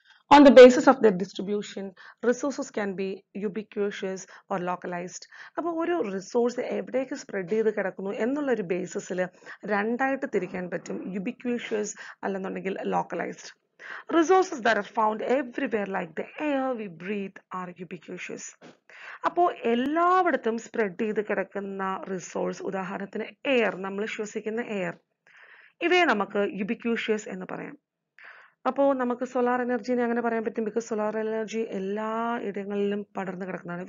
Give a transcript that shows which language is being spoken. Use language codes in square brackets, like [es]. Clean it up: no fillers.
[en] On the basis of their distribution, resources can be ubiquitous or localized. [ml] അപ്പോൾ ഒരു resource എവിടേക്ക് spread ചെയ്ത് കിടക്കുന്നു എന്നുള്ളൊരു ബേസിസിൽ രണ്ടായിട്ട് തിരിക്കാൻ പറ്റും, ubiquitous അല്ലെന്നുണ്ടെങ്കിൽ localised. [en] Resources that are found everywhere, like the air we breathe, are ubiquitous. [ml] അപ്പോൾ എല്ലായിടത്തും സ്പ്രെഡ് ചെയ്ത് കിടക്കുന്ന റിസോഴ്സ്, ഉദാഹരണത്തിന് എയർ, നമ്മൾ ശ്വസിക്കുന്ന എയർ, ഇവയെ നമുക്ക് ubiquitous എന്ന് പറയാം. അപ്പോൾ നമുക്ക് സോളാർ എനർജിനെ അങ്ങനെ പറയാൻ പറ്റും, ബിക്കോസ് സോളാർ എനർജി എല്ലാ ഇടങ്ങളിലും പടർന്നു കിടക്കുന്നതാണ്.